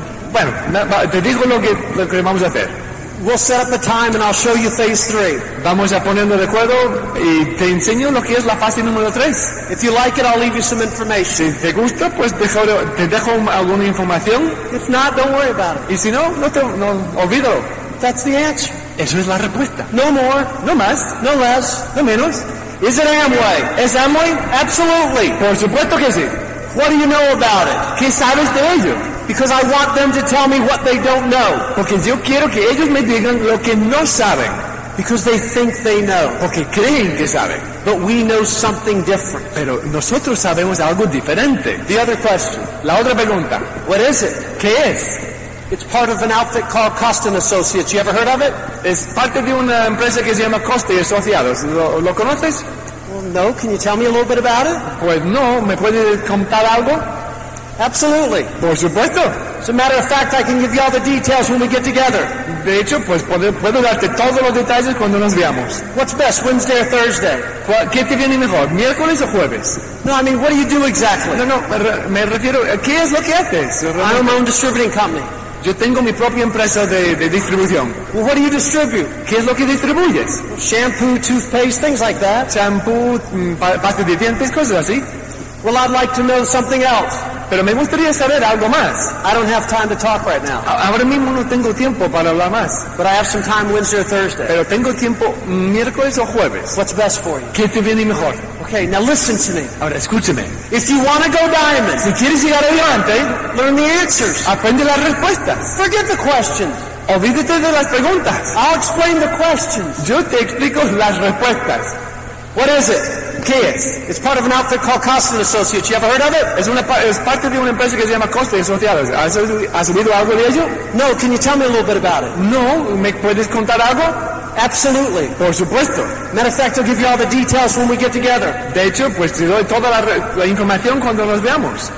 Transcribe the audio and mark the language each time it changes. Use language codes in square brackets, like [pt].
[es] Bueno, te digo lo que vamos a hacer. [en] We'll set up a time and I'll show you phase three. [es] Vamos a ponernos de acuerdo y te enseño lo que es la fase número tres. [en] If you like it, I'll leave you some information. [es] Si te gusta, pues te dejo alguna información. [en] If not, don't worry about it. [es] Y si no, no olvídalo. [en] That's the answer. [es] Eso es la respuesta. [en] No more. [es] No más. [en] No less. [es] No menos. [en] Is it Amway? [es] ¿Es Amway? [en] Absolutely. [es] Por supuesto que sí. [en] What do you know about it? [es] ¿Qué sabes de ello? [en] Because I want them to tell me what they don't know. [es] Porque yo quiero que ellos me digan lo que no saben. [en] Because they think they know. [es] Porque creen que saben. [en] But we know something different. [es] Pero nosotros sabemos algo diferente. [en] The other question. [es] La otra pregunta. [en] What is it? [es] ¿Qué es? [en] It's part of an outfit called Costa & Associates. You ever heard of it? [es] Es parte de una empresa que se llama Costa y Asociados. ¿Lo conoces? [en] No, can you tell me a little bit about it? [es] Pues no, ¿me puede contar algo? [en] Absolutely. [es] Por supuesto. [en] As a matter of fact, I can give you all the details when we get together. [es] De hecho, pues puedo darte todos los detalles cuando nos veamos. [en] What's best, Wednesday or Thursday? [es] ¿Qué te viene mejor, miércoles o jueves? [en] No, I mean, what do you do exactly? [es] No, me refiero, ¿qué es lo que haces? [en] I own my own distributing company. [es] Yo tengo mi propia empresa de distribución. [en] Well, what do you distribute? [es] ¿Qué es lo que distribuyes? [en] Shampoo, toothpaste, things like that. [es] Shampoo, pasta de dientes, cosas así. [en] Well, I'd like to know something else. [es] Pero me gustaría saber algo más. [en] I don't have time to talk right now. [es] Ahora mismo no tengo tiempo para hablar más. [en] But I have some time Wednesday or Thursday. [es] Pero tengo tiempo miércoles o jueves. [en] What's best for you? [es] ¿Qué te viene mejor? [en] Okay, now listen to me. [es] Ahora escúchame. [en] If you want to go diamond, [es] si quieres llegar adelante, [en] learn the answers. [es] Aprende las respuestas. [en] Forget the questions. [es] Olvídate de las preguntas. [en] I'll explain the questions. [es] Yo te explico las respuestas. [en] What is it? [es] ¿Qué es? [en] It's part of an outfit called Costa & Associates. You ever heard of it? [es] Es parte de una empresa que se llama Costa & Associates. ¿Has oído algo de ello? [en] No, can you tell me a little bit about it? [es] No, ¿me puedes contar algo? [en] Absolutely. [es] Por supuesto. [en] Matter of fact, I'll give you all the details when we get together. [es] De hecho, pues te doy toda la información cuando nos veamos.